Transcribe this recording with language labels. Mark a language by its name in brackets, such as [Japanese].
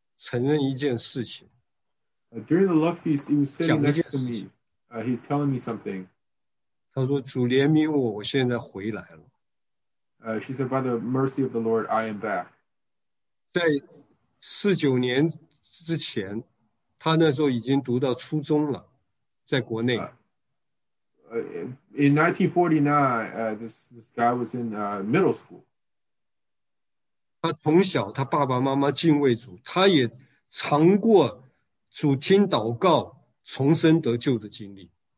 [Chinese] 爱宴的时候，他特别跟我坐在一起。他说：“伯弟兄，我要跟你承认一件事情。” [English] During the love feast, he was sitting next to me. He's telling me something. [Chinese] 他说：“主怜悯我，我现在回来了。” [English] She said, by the mercy of the Lord, I am back. [Chinese] 在49年之前, 他那时候已经读到初中了,在国内。 [English] In 1949, this guy was in middle school. [Chinese] 他从小,他爸爸妈妈敬畏主, 他也尝过主听祷告,重生得救的经历。